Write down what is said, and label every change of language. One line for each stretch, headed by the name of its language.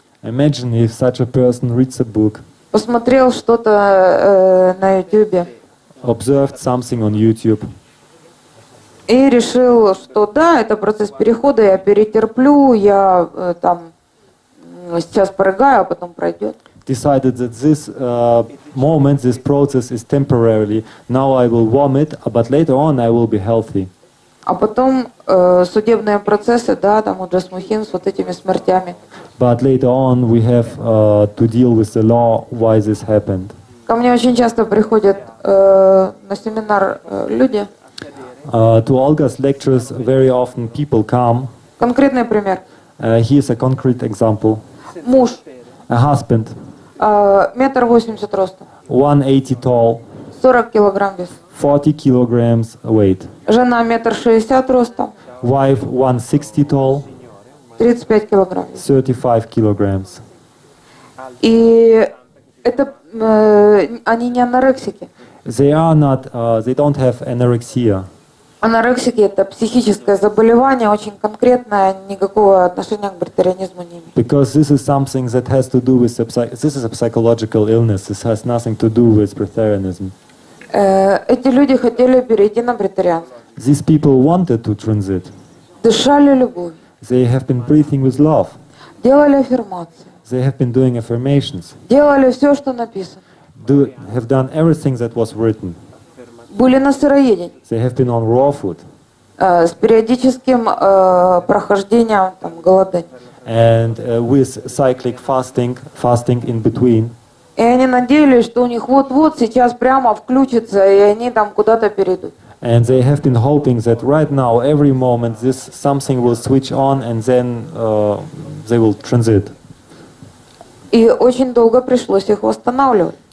English: Imagine if such a person reads a book.
Russian: Посмотрел что-то на YouTube.
English: Observed something on YouTube.
Russian: И решил, что да, это процесс перехода, я перетерплю, я там сейчас прыгаю, а потом пройдет.
English: Decided that this moment, this process is temporarily. Now I will vomit, but later on I will be healthy.
Russian: А потом судебные процессы, да, там у Джасмухин с вот этими смертями.
English: But later on we have to deal with the law why this happened.
Russian: Ко мне очень часто приходят на семинар люди.
English: To Olga's lectures very often people come.
Russian: Конкретный пример.
English: Here's a concrete example.
Russian: Муж.
English: A husband.
Russian: 1.80 роста.
English: 180 tall.
Russian: 40 килограмм вес.
English: 40 kilograms weight.
Russian: Жена 1.60 роста.
English: Wife 1.60 tall.
Russian: 35 килограмм.
English: 35 kilograms.
Russian: И это они не анорексики.
English: They are not. They don't have anorexia.
Russian: Анорексики — это психическое заболевание, очень конкретное, никакого отношения к вегетарианизму не имеет.
English: Because this is something that has to do with this is a psychological illness. This has nothing to do with vegetarianism.
Russian: Эти люди хотели перейти на вегетарианство.
English: These people wanted to transit.
Russian: Дышали любовью.
English: They have been breathing with love.
Russian: Делали аффирмации.
English: They have been doing affirmations.
Russian: Делали все, что написано.
English: Have done everything that was written.
Russian: Были на сыроедении.
English: They have been on raw food.
Russian: С периодическим прохождением там голодания.
English: And with cyclic fasting in between.
Russian: И они надеялись, что у них вот-вот сейчас прямо включится, и они там куда-то перейдут.
English: And they have been hoping that right now, every moment, this something will switch on, and then they will transit.
Russian: И очень долго пришлось их восстанавливать.